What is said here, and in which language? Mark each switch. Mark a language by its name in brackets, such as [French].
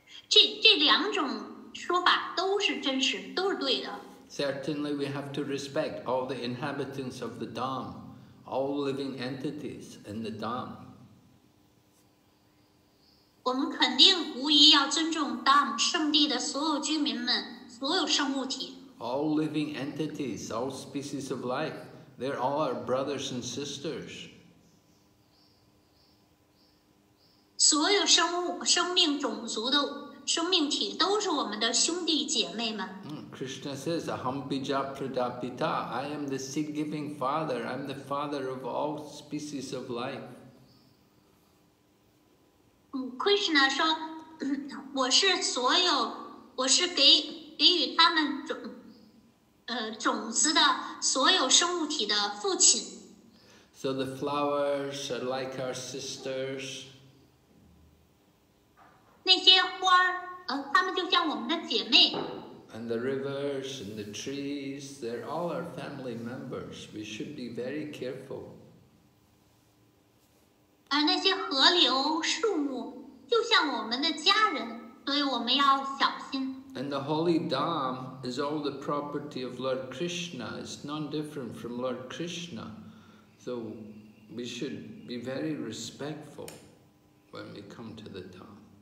[Chinese] 这两种说法都是真实，都是对的。 [English] Certainly, we have to respect all the inhabitants of the Dham, all living entities in the Dham. [Chinese] 我们肯定无疑要尊重 Dham 圣地的所有居民们，所有生物体。 [English] All living entities, all species of life, they're all our brothers and sisters. [Chinese] 所有生物、生命、种族的生命体都是我们的兄弟姐妹们。 [English] Krishna says, [Sanskrit] Aham Bija Pradapita, [English] I am the seed-giving father, I'm the father of all species of life. [Chinese] Krishna 说，我是所有，我是给予他们种。种子的所有生物体的父亲。 [English] So the flowers are like our sisters. [Chinese] 那些花儿，他们就像我们的姐妹。 [English] And the rivers and the trees, they're all our family members. We should be very careful. [Chinese] 而那些河流、树木就像我们的家人，所以我们要小心。 [English] And the holy dam is all the property of Lord Krishna. It's none different from Lord Krishna. So we should be very respectful when we come to the dam.